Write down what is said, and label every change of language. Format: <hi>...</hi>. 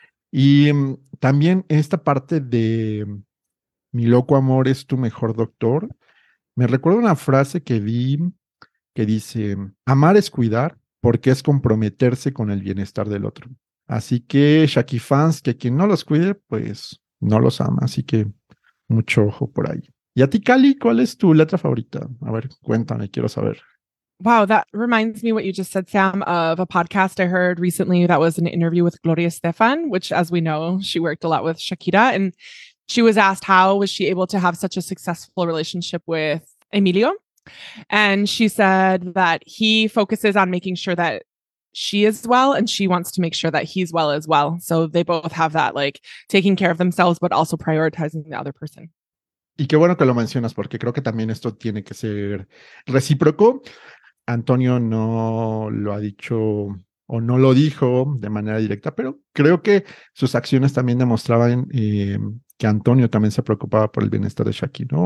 <es>Y también esta parte de mi loco amor es tu mejor doctor, me recuerda una frase que vi que dice, amar es cuidar porque es comprometerse con el bienestar del otro. Así que, Shaki fans, que quien no los cuide, pues no los ama. Así que mucho ojo por ahí. Y a ti, Cali, ¿cuál es tu letra favorita? A ver, cuéntame, quiero saber.</es> <en>Wow, that reminds me what you just said, Sam, of a podcast I heard recently that was an interview with Gloria Estefan, which, as we know, she worked a lot with Shakira. And she was asked how was she able to have such a successful relationship with Emilio? And she said that he focuses on making sure that she is well, and she wants to make sure that he's well as well. So they both have that, like, taking care of themselves, but also prioritizing the other person.</en> <es>Y qué bueno que lo mencionas, porque creo que también esto tiene que ser recíproco. Antonio no lo ha dicho o no lo dijo de manera directa, pero creo que sus acciones también demostraban que Antonio también se preocupaba por el bienestar de Shaki, ¿no?</es>